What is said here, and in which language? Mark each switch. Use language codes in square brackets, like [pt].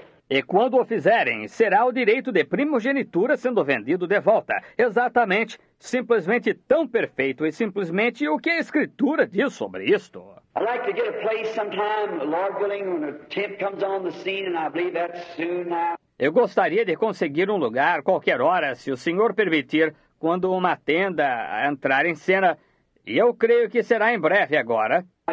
[pt] E quando o fizerem, será o direito de primogenitura sendo vendido de volta. Exatamente, simplesmente tão perfeito e simplesmente o que a Escritura diz sobre isto. [en] I'd like to get a place sometime, Lord willing, when a temp comes on the scene, and I believe that's soon now. [pt] Eu gostaria de conseguir um lugar qualquer hora, se o Senhor permitir, quando uma tenda entrar em cena. E eu creio que será em breve agora.